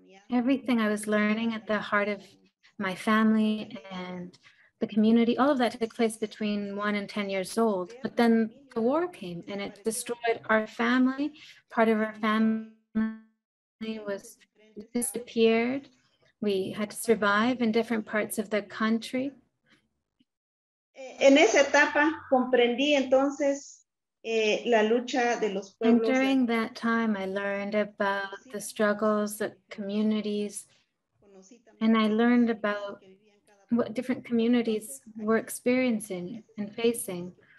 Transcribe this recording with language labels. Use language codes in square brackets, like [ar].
[en] Everything I was learning at the heart of my family and the community, all of that took place between 1 and 10 years old. But then the war came and it destroyed our family. Part of our family was disappeared. We had to survive in different parts of the country. [es] En esa etapa comprendí entonces la lucha de los pueblos. [en] And during that time, I learned about the struggles of communities, and I learned about what different communities were experiencing and facing.